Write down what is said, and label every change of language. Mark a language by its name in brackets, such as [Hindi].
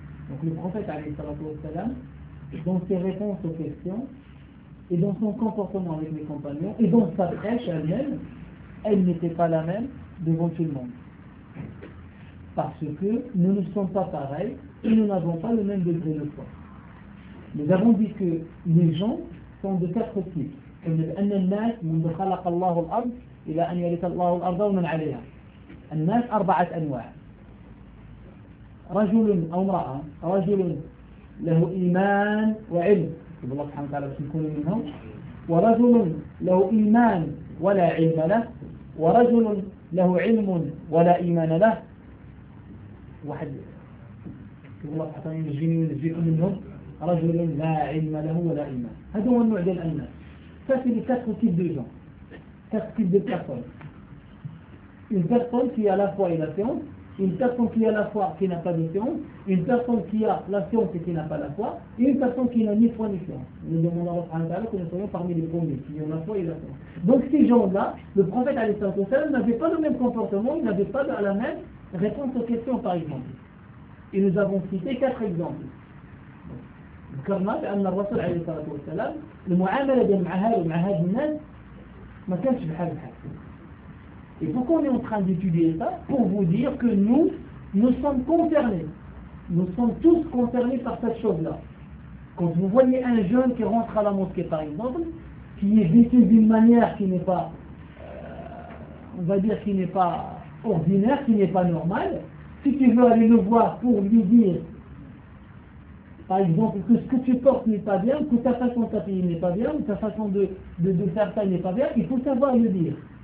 [French] Donc le prophète عليه الصلاة والسلام dans ses réponses aux questions et dans son comportement avec les compagnons et dans sa prêche elle-même, elle n'était pas la même devant tout le monde. Parce que nous ne sommes pas pareils et nous n'avons pas le même degré de foi. Nous avons dit que les gens sont de quatre types. Comme le dit [Arabic] الناس منذ خلق الله الأرض إلى أن يرث الله الأرض ومن عليها. الناس أربعة أنواع. رجل أو امرأة. رجل له إيمان وعلم. يقول الله سبحانه وتعالى باش نكون منهم. ورجل له إيمان ولا علم له. ورجل له علم ولا إيمان له. واحد يقول الله سبحانه وتعالى يجيني ونجيكم منهم. رجل لا علم له ولا إيمان. هذا هو النوع ديال الناس. [French] ففي كاتر كيب دو جون كاتر كيب دو كاتر une personne qui a la foi et la science, une personne qui a la foi qui n'a pas de science, une personne qui a la science et qui n'a pas la foi, et une personne qui n'a ni foi ni science. Nous demandons à Allah que nous soyons parmi les premiers qui ont la foi et la science. Donc ces gens-là, le prophète alayhi salatu wassalam n'avait pas le même comportement, il n'avait pas la même réponse aux questions par exemple. Et nous avons cité quatre exemples. [Arabic] ذكرنا بأن الرسول عليه الصلاة والسلام المعاملة مع هاي ومع هاد الناس ما كانش بحال بحال. [French] Et pourquoi on est en train d'étudier ça? Pour vous dire que nous sommes concernés. Nous sommes tous concernés par cette chose-là. Quand vous voyez un jeune qui rentre à la mosquée par exemple, qui est vêtu d'une manière qui n'est pas, on va dire, qui n'est pas ordinaire, qui n'est pas normale, si tu veux aller le voir pour lui dire par exemple, que ce que tu portes n'est pas bien, que ta façon de t'appeler n'est pas bien, ou ta façon de faire ça n'est pas bien, il faut savoir le dire.